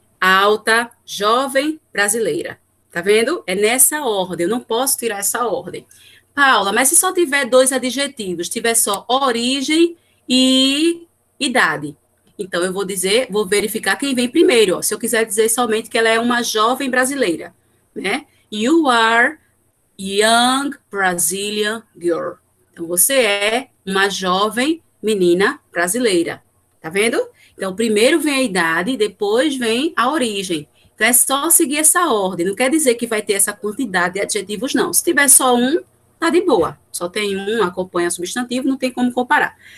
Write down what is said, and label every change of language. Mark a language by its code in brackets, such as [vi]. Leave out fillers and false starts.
[pt] alta, jovem, brasileira. Tá vendo? É nessa ordem. Eu não posso tirar essa ordem. Paula, mas se só tiver dois adjetivos, tiver só origem e idade. Então, eu vou dizer, vou verificar quem vem primeiro. Ó, se eu quiser dizer somente que ela é uma jovem brasileira, né? [en] You are young Brazilian girl. [pt] Então, você é uma jovem menina brasileira. Tá vendo? Então, primeiro vem a idade, depois vem a origem. Então, é só seguir essa ordem. Não quer dizer que vai ter essa quantidade de adjetivos, não. Se tiver só um, tá de boa. Só tem um, acompanha substantivo, não tem como comparar.